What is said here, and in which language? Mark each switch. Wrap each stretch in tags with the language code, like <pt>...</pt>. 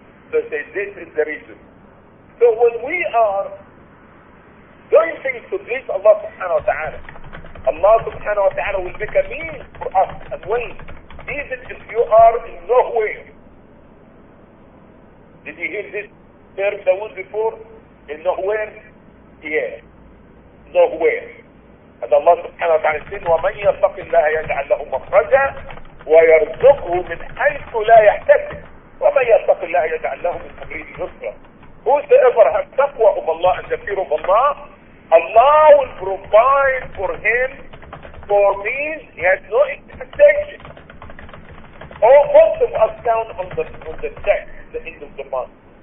<en>So say, this is the reason. So when we are doing things to please Allah subhanahu wa ta'ala, Allah subhanahu wa ta'ala will make a means for us and way, even if you are in nowhere. Did you hear this term that was before? In nowhere? Yeah. Nowhere. And Allah subhanahu wa ta'ala said,</en> <ar>وَمَنْ يَتَّقِ اللَّهَ يَجْعَلْ لَهُ مَخْرَجًا وَيَرْزُقْهُ مِنْ حَيْثُ لَا يَحْتَسِبُ وَمَنْ يَتَّقِ اللَّهَ يَجْعَلْ لَهُ مِنْ أَمْرِهِ يُسْرًا.</ar> <en>Whosoever has taqwa of Allah and the fear of Allah, Allah will provide for him for means he has no expectation. All, most of us count on the check at the end of the month.</en>